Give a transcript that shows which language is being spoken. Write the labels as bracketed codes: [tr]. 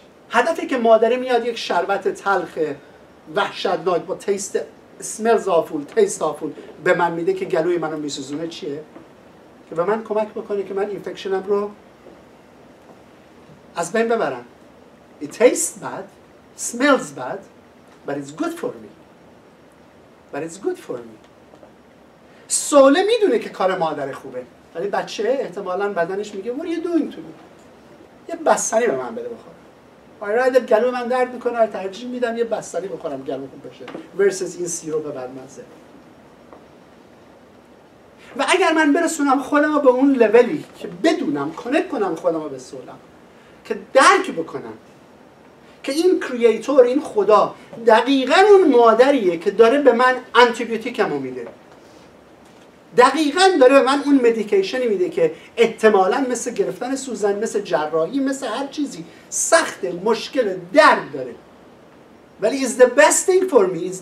[fa] هدفی که مادره میاد یک شربت تلخ وحشتناک با تیست [en] smells awful، [fa] تیست awful به من میده که گلوی منو میسوزونه چیه؟ که به من کمک بکنه که من اینفکشنم رو از بین ببرم. [en] It tastes bad, smells bad, but it's good for me. But it's good for me. [fa] سوله میدونه که کار مادر خوبه. ولی بچه احتمالاً بدنش میگه [en] What are you doing to me? [fa] یه بستنی به من بده بخورم. [en] I rather [fa] گلو من درد میکنه، ترجیح میدم یه بستنی بخورم گلو خوب بشه. Versus این سیروپ بدمزه. و اگر من برسونم خودم رو به اون لولی که بدونم، کانکت کنم خودم رو به سولم، که درک بکنم که این کریئتور، این خدا دقیقاً اون مادریه که داره به من آنتیبیوتیکمو میده، دقیقاً داره به من اون مدیکیشنی میده که احتمالاً مثل گرفتن سوزن، مثل جراحی، مثل هر چیزی سخته، مشکل، درد داره، ولی [en] is the best thing for me.